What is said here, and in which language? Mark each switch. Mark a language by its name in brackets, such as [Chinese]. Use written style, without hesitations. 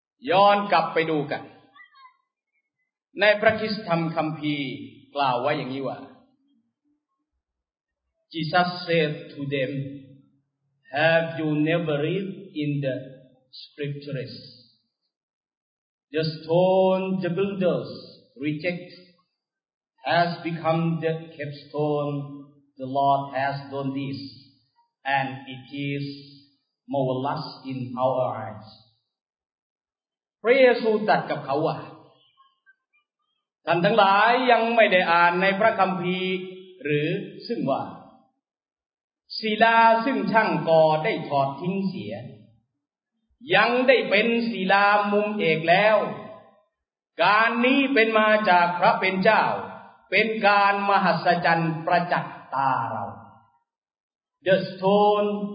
[Thai] ย้อนกลับไปดูกันในพระคริสต์ธรรมคัมภีร์กล่าวไว้อย่างนี้ว่า [English] Jesus said to themHave you never read in the scriptures? The stone the builders reject has become the capstone. The Lord has done this, and it is marvelous in our eyes. [Thai] พระเยซูตรัสกับเขาว่าท่านทั้งหลายยังไม่ได้อ่านในพระคัมภีร์หรือซึ่งว่าศิลาซึ่งช่างก่อได้ถอดทิ้งเสียยังได้เป็นศิลามุมเอกแล้วการนี้เป็นมาจากพระเป็นเจ้าเป็นการมหัศจรรย์ประจักษ์ตาเรา [English] The stone